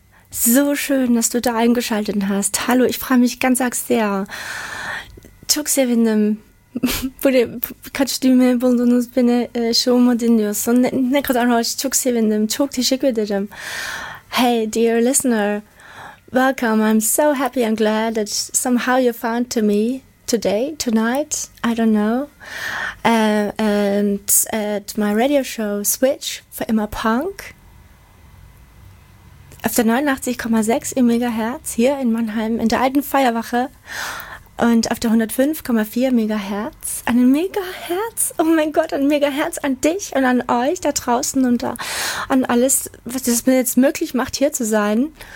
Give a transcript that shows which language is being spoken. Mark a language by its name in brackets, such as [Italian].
[German] So schön, dass du da eingeschaltet hast. Hallo, ich freue mich ganz arg sehr. [Turkish] Çok sevindim. Kaç düğme buldunuz beni, şovumu dinliyorsun. Ne kadar hoş, çok sevindim, çok teşekkür ederim. [English] Hey, dear listener. Welcome. I'm so happy and glad that somehow you found to me today, tonight, I don't know, and at my radio show [German] Switch for Immer Punk, auf der 89,6 im Megahertz hier in Mannheim in der alten Feuerwache und auf der 105,4 Megahertz, an den Megahertz, oh mein Gott, an Megahertz, an dich und an euch da draußen und da, an alles, was es mir jetzt möglich macht, hier zu sein.